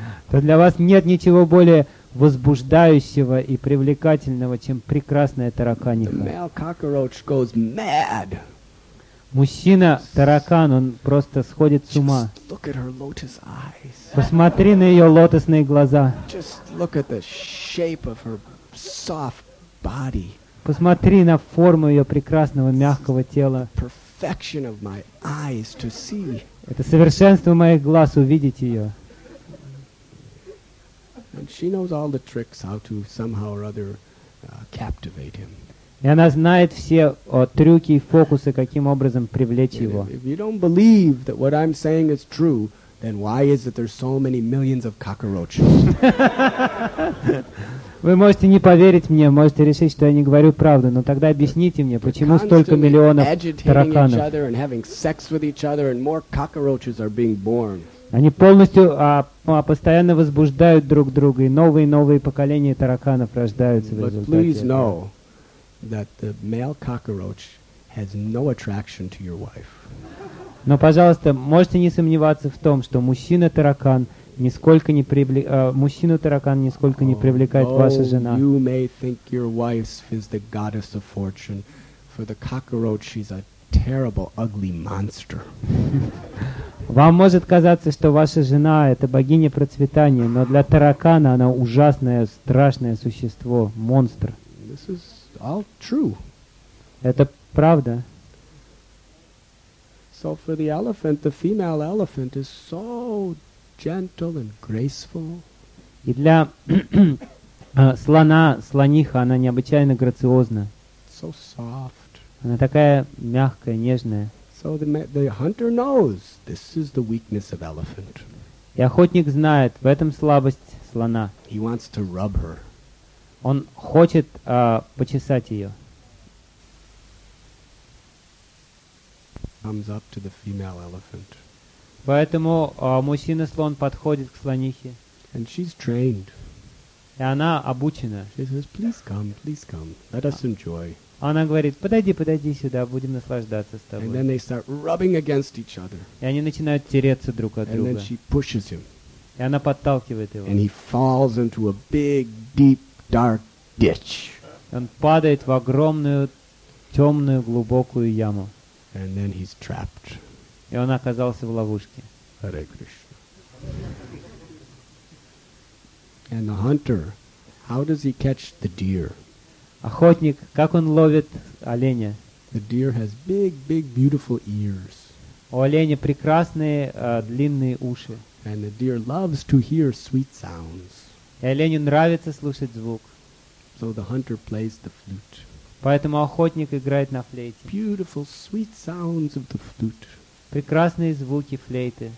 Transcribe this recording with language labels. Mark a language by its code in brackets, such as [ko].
[ru] То для вас нет ничего более возбуждающего и привлекательного, чем прекрасная тараканиха. [en] The male cockroach goes mad. [ru] Мужчина таракан, он просто сходит с ума. [en] Just look at her lotus eyes. [ru] Посмотри на ее лотосные глаза. [en] Just look at the shape of her soft body. [ru] Посмотри на форму ее прекрасного мягкого тела. [en] Perfection of my eyes to see. [ru] Это совершенство моих глаз увидеть ее. [en] And she knows all the tricks how to somehow or other captivate him. [ru] И она знает все трюки и фокусы, каким образом привлечь его. [en] If you don't believe that what I'm saying is true, then why is it there's so many millions of cockroaches? [ru] Вы можете не поверить мне, можете решить, что я не говорю правду, но тогда объясните мне, почему столько миллионов тараканов? Они полностью постоянно возбуждают друг друга, и новые и новые поколения тараканов рождаются в результате. [en] Please know that the male cockroach has no attraction to your wife. [ru] Но, пожалуйста, можете не сомневаться в том, что мужчина-таракан нисколько не мужчина-таракан нисколько не привлекает ваша жена. [en] You may think your wife is the goddess of fortune. For the cockroach, she's a terrible, ugly monster. [ru] Вам может казаться, что ваша жена — это богиня процветания, но для таракана она ужасное, страшное существо, монстр. [en] This is all true. [ru] Это правда. [en] So for the elephant, the female elephant is so gentle and graceful. [ru] И для слона, слониха, она необычайно грациозна. [en] So soft. [ru] Она такая мягкая, нежная. [en] So the hunter knows this is the weakness of elephant. [ru] И охотник знает, в этом слабость слона. [en] He wants to rub her. [ru] Он хочет почесать ее. [en] Comes up to the female elephant. [ru] Поэтому мужчина-слон подходит к слонихе. [en] And she's trained. [ru] И она обучена. [en] She says, please come, please come. Let us enjoy. [ru] Она говорит, подойди, подойди сюда, будем наслаждаться с тобой. [en] And then they start rubbing against each other. [ru] И они начинают тереться друг от [en] And [ru] друга. [en] Then she pushes him. [ru] И она подталкивает его. [en] And he falls into a big, deep, dark ditch. [ru] Он падает в огромную, темную, глубокую яму. [en] And then he's trapped. [ru] И он оказался в ловушке. [en] Hare Krishna. And the hunter, how does he catch the deer? [ru] Охотник, как он ловит оленя? [en] The deer has big, big, beautiful ears. [ru] У оленя прекрасные длинные уши. [en] And the deer loves to hear sweet sounds. [ru] И оленю нравится слушать звук. [en] So the hunter plays the flute. [ru] Поэтому охотник играет на флейте. [en] Beautiful, sweet sounds of the flute. [ru] Прекрасные звуки флейты.